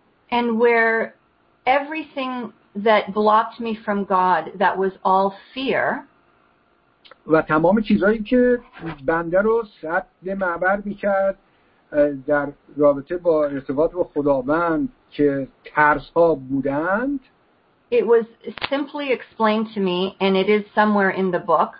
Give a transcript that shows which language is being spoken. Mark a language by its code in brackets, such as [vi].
[en] And where everything that blocked me from God, that was all fear. [fa] و تمام چیزایی که بنده رو سد معبر می‌کرد در رابطه با ارتباط با خداوند که ترس‌ها بودند. [en] It was simply explained to me and it is somewhere in the book.